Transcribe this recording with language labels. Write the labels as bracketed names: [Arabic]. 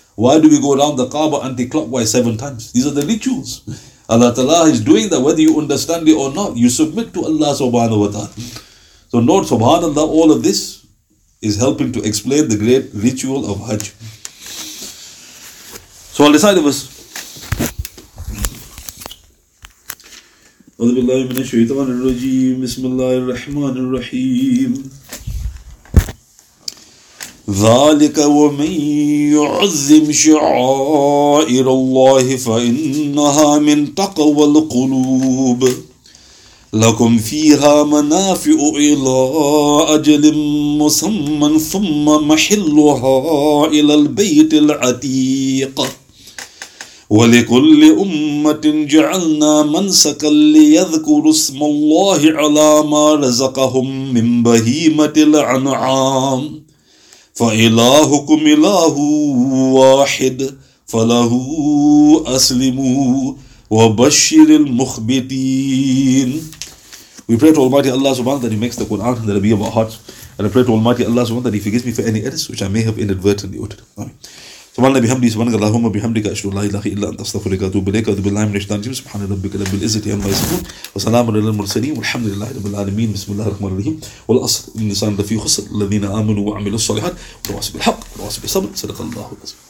[English] Why do we go around the Kaaba anti-clockwise 7 times? These are the rituals. Allah Ta'ala is doing that whether you understand it or not. You submit to Allah subhanahu wa ta'ala. So note, subhanallah, all of this is helping to explain the great ritual of Hajj. So on the side of us, [Arabic] أعوذ بالله من الشيطان الرجيم بسم الله الرحمن الرحيم ذلك ومن يعظم شعائر الله فإنها من تقوى القلوب لكم فيها منافع إلى أجل مسمى ثم محلها إلى البيت العتيق ولكل أمة جعلنا منسكا ليذكروا اسم الله على ما رزقهم من بهيمة الأنعام فإلهكم إله واحد فله أسلموا وبشر المخبتين. [English] We pray to Almighty Allah subhanahu that He makes the Quran the Rabi of our hearts, and I pray to Almighty Allah subhanahu that He forgives me for any errors which I may have inadvertently uttered. Amen. [Arabic] سبحان الله بحمده سبحانك اللهم وبحمدك أشهد أن لا إله إلا أنت أستغفرك وأتوب إليك أعوذ بالله من الشيطان الرجيم سبحان ربك رب العزة عما يصفون وسلام على المرسلين والحمد لله رب العالمين بسم الله الرحمن الرحيم والأصل إن الإنسان لفي خسر الذين آمنوا وعملوا الصالحات وتواصوا بالحق وتواصوا بالصبر صدق الله العظيم.